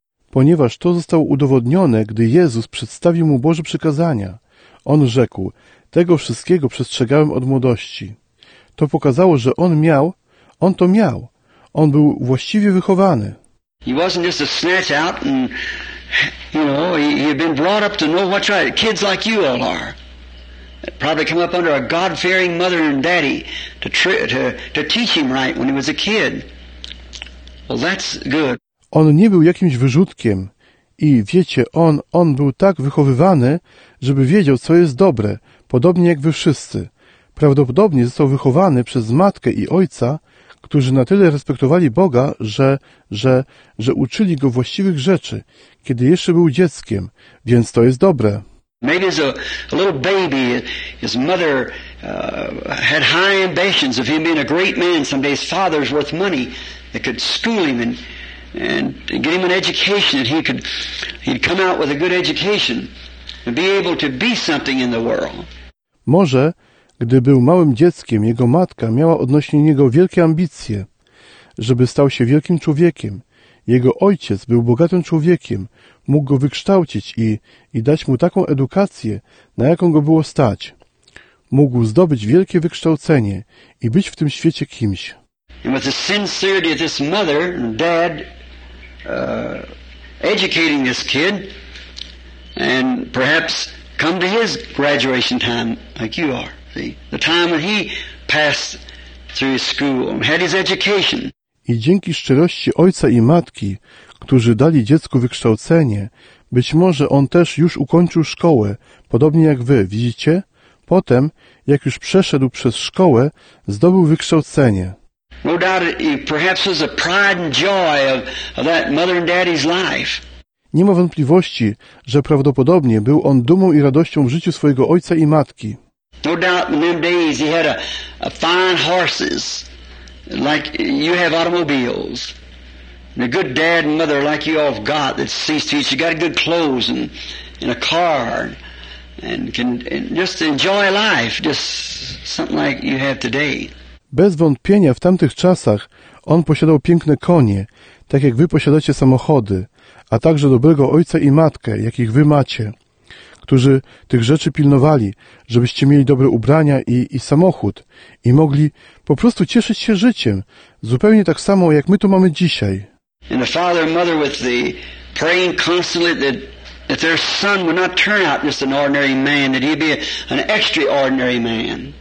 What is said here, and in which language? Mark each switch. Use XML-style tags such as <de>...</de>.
<pl>Ponieważ to zostało udowodnione, gdy Jezus przedstawił mu Boże przykazania. On rzekł, tego wszystkiego przestrzegałem od młodości. To pokazało, że on to miał. On był właściwie wychowany.</pl> <en>He wasn't just a snatch out and, you know, he had been brought up to know what's right. Kids like you all are. Probably come up under a God-fearing mother and daddy to teach him right when he was a kid. Well, that's good.</en> <pl>On nie był jakimś wyrzutkiem i wiecie, on był tak wychowywany, żeby wiedział, co jest dobre, podobnie jak wy wszyscy. Prawdopodobnie został wychowany przez matkę i ojca, którzy na tyle respektowali Boga, że uczyli go właściwych rzeczy, kiedy jeszcze był dzieckiem, więc to jest dobre.</pl> <en>Maybe as a little baby, his mother had high ambitions of him being a great man someday. His father's worth money that could school him and get him an education, and he'd come out with a good education and be able to be something in the world.</en> <pl>Może, gdy był małym dzieckiem, jego matka miała odnośnie niego wielkie ambicje, żeby stał się wielkim człowiekiem. Jego ojciec był bogatym człowiekiem, mógł go wykształcić i dać mu taką edukację, na jaką go było stać. Mógł zdobyć wielkie wykształcenie i być w tym świecie kimś.</pl> <en>And with the sincerity of this mother and dad educating this kid and perhaps come to his graduation time like you are. The time when he passed through his school and had his education.</en> <pl>I dzięki szczerości ojca i matki, którzy dali dziecku wykształcenie, być może on też już ukończył szkołę, podobnie jak wy, widzicie? Potem, jak już przeszedł przez szkołę, zdobył wykształcenie.</pl> <en>No doubt it perhaps was the pride and joy of that mother and daddy's life.</en> <pl>Nie ma wątpliwości, że prawdopodobnie był on dumą i radością w życiu swojego ojca i matki.</pl> <en>No doubt in them days he had a fine horses. Like you have automobiles, and a good dad and mother like you all have got that sees to it. You got good clothes and a car, and can just enjoy life, just something like you have today.</en> <pl>Bez wątpienia w tamtych czasach on posiadał piękne konie, tak jak wy posiadacie samochody, a także dobrego ojca i matkę, jakich wy macie, którzy tych rzeczy pilnowali, żebyście mieli dobre ubrania i samochód i mogli po prostu cieszyć się życiem, zupełnie tak samo, jak my to mamy dzisiaj.</pl> <en>And the father and mother with the praying constantly that their son would not turn out just an ordinary man, that he'd be an extraordinary man.</en>